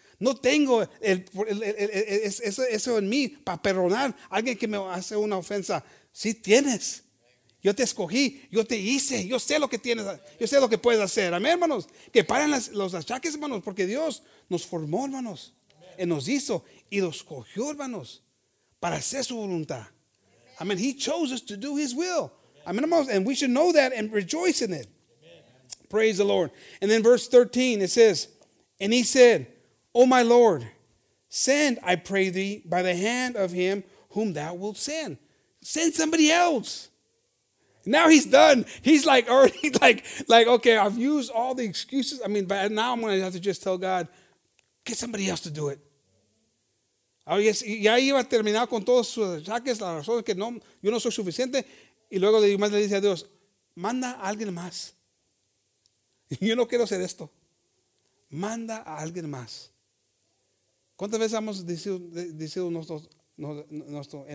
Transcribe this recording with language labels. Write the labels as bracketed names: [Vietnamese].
[Spanish] No tengo eso en mí para perdonar a alguien que me hace una ofensa. Sí tienes. Yo te escogí, yo te hice, yo sé lo que tienes, yo sé lo que puedes hacer. Amén, hermanos. Que paren los achaques, hermanos, porque Dios nos formó, hermanos. Amén. Y nos hizo y nos escogió, hermanos, para hacer su voluntad. [English] Amén. He chose us to do his will. [Spanish] Amén, hermanos. [English] And we should know that and rejoice in it. Amén. Praise the Lord. And then verse 13, it says, and he said, oh, my Lord, send, I pray thee, by the hand of him whom thou wilt send. Send somebody else. Now he's done. He's like already like okay, I've used all the excuses. I mean, but now I'm going to have to just tell God, get somebody else to do it. [Spanish] Ahora ya iba a terminar con todos sus achaques, la razón es que no, yo no soy suficiente. Y luego le dice a Dios, manda a alguien más. Yo no quiero hacer esto. Manda a alguien más. ¿Cuántas veces hemos dicho nosotros?